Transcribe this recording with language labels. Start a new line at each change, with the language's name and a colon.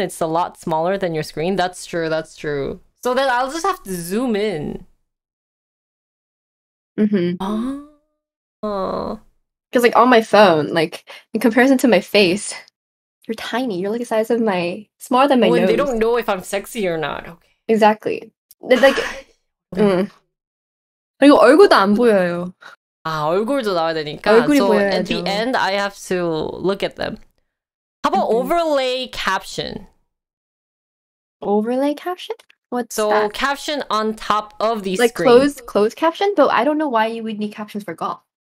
English: It's a lot smaller than your screen. That's true. So then I'll just have to zoom in. Mm-hmm. Because like on my phone, like in comparison to my face, you're tiny. You're like the size of my, smaller than my nose. They don't know if I'm sexy or not. Okay. Exactly. It's like,
Korean: 그리고 얼굴도 안 보여요. 아, 얼굴도 나와야 되니까. 얼굴이 보여야죠.
English: So at the end, I have to look at them. How about overlay caption? Overlay caption? What's so that? So caption on top of the like screen. Like closed caption? But I don't know why you would need captions for golf.